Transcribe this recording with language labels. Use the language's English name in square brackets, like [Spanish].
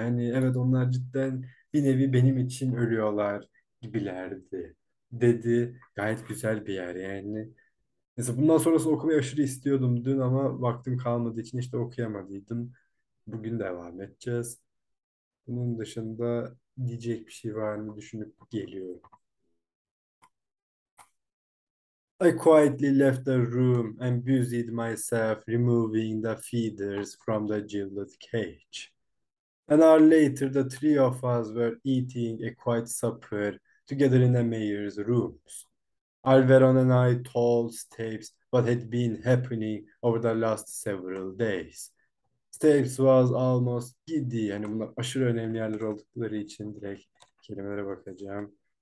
[Turkish] Hani evet onlar cidden bir nevi benim için ölüyorlar gibilerdi dedi. Gayet güzel bir yer yani. Neyse bundan sonrası okumayı aşırı istiyordum dün ama vaktim kalmadığı için işte okuyamadıydım. Bugün devam edeceğiz. Bunun dışında diyecek bir şey var mı düşünüp geliyorum. [English] I quietly left the room and busied myself removing the feathers from the gilded cage. An hour later, the three of us were eating a quiet supper together in the mayor's rooms. Alveron and I told Stapes what had been happening over the last several days. Stapes was almost giddy. [Turkish] Yani bunlar aşırı önemli yerler oldukları için direkt kelimelere bakacağım.